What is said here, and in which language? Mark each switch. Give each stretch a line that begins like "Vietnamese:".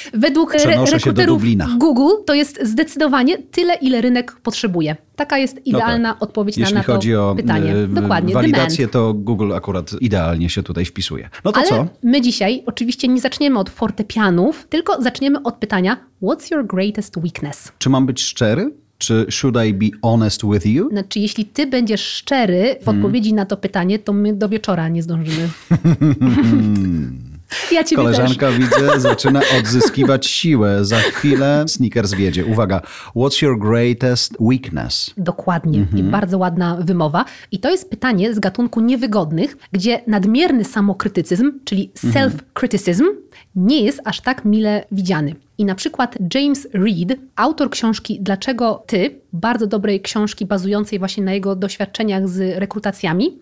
Polish: Według rekruterów Google to jest zdecydowanie tyle, ile rynek potrzebuje. Taka jest idealna no tak. odpowiedź Jeśli na to chodzi o pytanie. Dokładnie. Walidację, to Google akurat idealnie się tutaj wpisuje. No to Ale co? My dzisiaj oczywiście nie zaczniemy od fortepianów, tylko zaczniemy od pytania,
English: what's your greatest weakness?
Polish: Czy mam być szczery? Czy
English: should I be honest with you?
Polish: Znaczy, jeśli ty będziesz szczery w odpowiedzi na to pytanie, to my do wieczora nie zdążymy. Ja ciebie Koleżanka też. Widzę, zaczyna odzyskiwać siłę. Za chwilę sneakers wjedzie. Uwaga,
English: what's your greatest weakness?
Polish: Dokładnie. Mhm. I bardzo ładna wymowa. I to jest pytanie z gatunku niewygodnych, gdzie nadmierny samokrytycyzm, czyli self-criticism, nie jest aż tak mile widziany. I na przykład James Reed, autor książki Dlaczego Ty, bardzo dobrej książki bazującej właśnie na jego doświadczeniach z rekrutacjami.